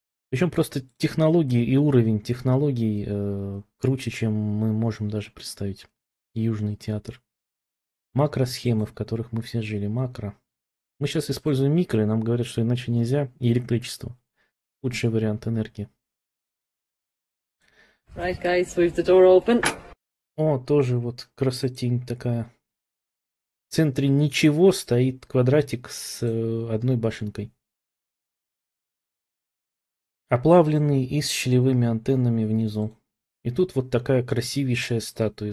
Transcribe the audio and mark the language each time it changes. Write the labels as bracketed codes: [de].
[ru] Причем просто технологии и уровень технологий круче, чем мы можем даже представить. Южный театр. Макросхемы, в которых мы все жили. Макро. Мы сейчас используем микро, и нам говорят, что иначе нельзя. И электричество. Лучший вариант энергии. [en] Right, guys, with the door open. [ru] О, тоже вот красотень такая. В центре ничего, стоит квадратик с одной башенкой. Оплавленный и с щелевыми антеннами внизу. И тут вот такая красивейшая статуя.